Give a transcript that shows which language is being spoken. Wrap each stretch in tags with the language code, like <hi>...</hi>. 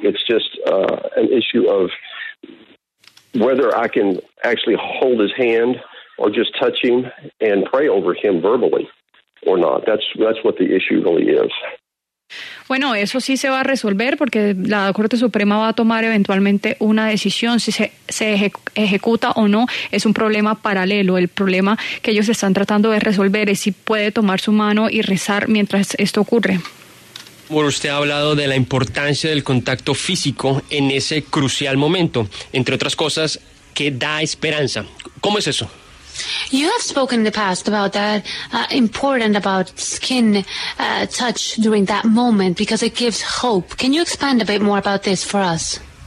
<en>It's just an issue of whether I can actually hold his hand or just touch him and pray over him verbally or not. That's what the issue really is.</en> <es>Bueno, eso sí se va a resolver porque la Corte Suprema va a tomar eventualmente una decisión si se ejecuta o no. Es un problema paralelo. El problema que ellos están tratando de resolver es si puede tomar su mano y rezar mientras esto ocurre. Bueno, usted ha hablado de la importancia del contacto físico en ese crucial momento, entre otras cosas, que da esperanza. ¿Cómo es eso?</es> <en>You have spoken in the past about that important about skin touch during that moment because it gives hope. Can you expand a bit more about this for us?</en>